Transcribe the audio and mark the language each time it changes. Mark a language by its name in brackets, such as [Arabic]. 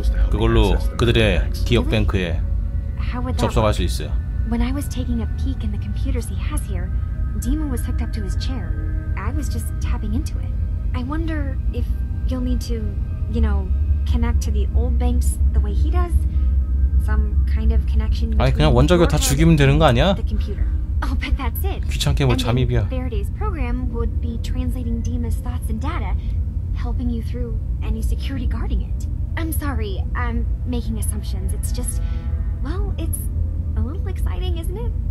[Korean] 그걸로 그들의 기억 뱅크에 접속할 수 있어. [English] When I was taking a peek in the computers he has here, Dima was hooked up to his chair. I was just tapping into it. I wonder if you'll need to, you know, connect to the old banks the way he does. Some kind of connection. [Korean] 아니 그냥 원자교 다 죽이면 되는 거 아니야? [English] Oh, but that's it. [Korean] 귀찮게 뭐 잠입이야. [English] Faraday's program would be translating Dima's thoughts and data, helping you through any security guarding it. I'm sorry, I'm making assumptions. It's just, well, it's a little exciting, isn't it?